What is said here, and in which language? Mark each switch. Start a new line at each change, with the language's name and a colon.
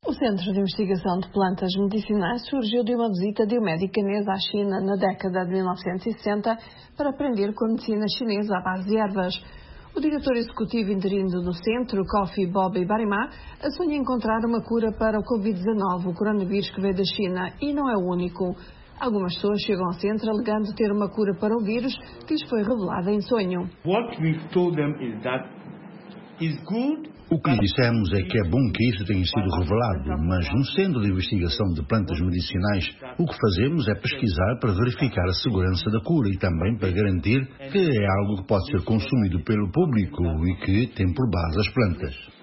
Portuguese: O Centro de Investigação de Plantas Medicinais surgiu de uma visita de um médico chinês à China na década de 1960 para aprender com a medicina chinesa à base de ervas. O diretor executivo interino do centro, Kofi Bobby Barima, sonha encontrar uma cura para o Covid-19, o coronavírus que veio da China, e não é o único. Algumas pessoas chegam ao centro alegando ter uma cura para o vírus que lhes foi revelada em sonho.
English: What we've told them is that it's good.
Portuguese: O que lhe dissemos é que é bom que isso tenha sido revelado, mas no Centro de Investigação de Plantas Medicinais, o que fazemos é pesquisar para verificar a segurança da cura e também para garantir que é algo que pode ser consumido pelo público e que tem por base as plantas.